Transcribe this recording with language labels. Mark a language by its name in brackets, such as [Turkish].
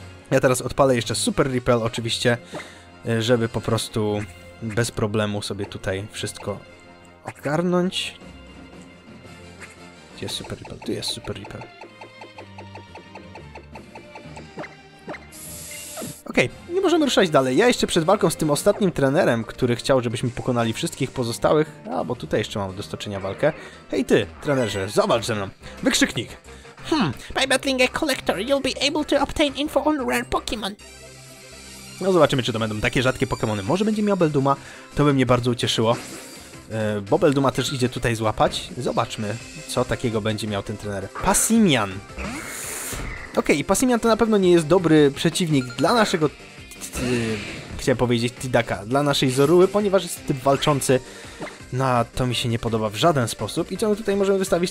[Polish] Ja teraz odpalę jeszcze Super Repel oczywiście, żeby po prostu bez problemu sobie tutaj wszystko ogarnąć. Gdzie jest Super Repel? Tu jest Super Repel. Okej, nie możemy ruszać dalej. Ja jeszcze przed walką z tym ostatnim trenerem, który chciał, żebyśmy pokonali wszystkich pozostałych... A, bo tutaj jeszcze mam do stoczenia walkę. Hej ty, trenerze, zobacz ze mną. Wykrzyknik! [English] By battling a collector, you'll be able to obtain info on rare Pokémon. [Polish] No zobaczymy, czy to będą takie rzadkie Pokémony. Może będzie miał Belduma, to by mnie bardzo ucieszyło. Bo Belduma też idzie tutaj złapać. Zobaczmy, co takiego będzie miał ten trener. Passimian! Okej, okay, Passimian to na pewno nie jest dobry przeciwnik dla naszego, chciałem powiedzieć, Tidducka, dla naszej Zoruły, ponieważ jest typ walczący, no to mi się nie podoba w żaden sposób. I co my tutaj możemy wystawić?